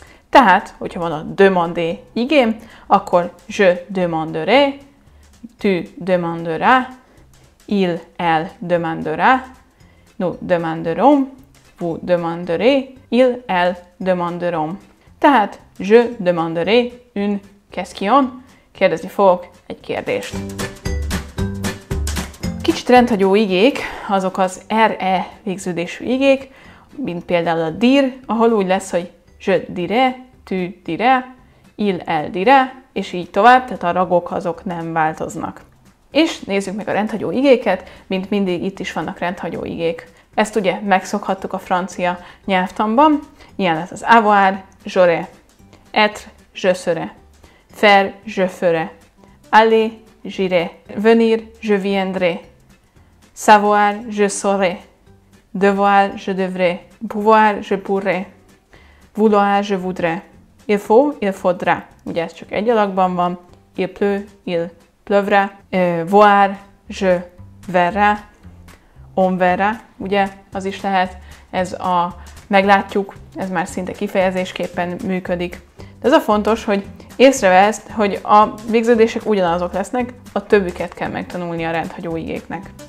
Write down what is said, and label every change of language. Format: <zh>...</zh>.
<hu>Tehát, hogyha van a demander igém, akkor</hu> <fr>je demanderai, tu demanderas, il, el, demandera, nous demanderons, vous demanderez, il, elle demanderont.</fr> <hu>Tehát,</hu> <fr>je demanderai une question,</fr> <hu>kérdezni fogok egy kérdést. Kicsit rendhagyó igék, azok az RE végződésű igék, mint például a dir, ahol úgy lesz, hogy</hu> <fr>je dirai, tu dirai, il, elle dirai,</fr> <hu>és így tovább, tehát a ragok azok nem változnak. És nézzük meg a rendhagyó igéket, mint mindig itt is vannak rendhagyó igék. Ezt ugye megszokhattuk a francia nyelvtanban. Ilyen lesz az</hu> <fr>avoir, j'aurai, être, je serai, faire, je ferai, aller, j'irai, venir, je viendrai, savoir, je saurai, devoir, je devrai, pouvoir, je pourrai, vouloir, je voudrai, il faut, il faudra.</fr> <hu>Ugye ez csak egy alakban van,</hu> <fr>il pleut, il pleuvra, voir, je verra, on verra,</fr> <hu>ugye, az is lehet, ez a meglátjuk, ez már szinte kifejezésképpen működik. De az a fontos, hogy észrevesz, hogy a végződések ugyanazok lesznek, a többiket kell megtanulni a rendhagyó igéknek.</hu>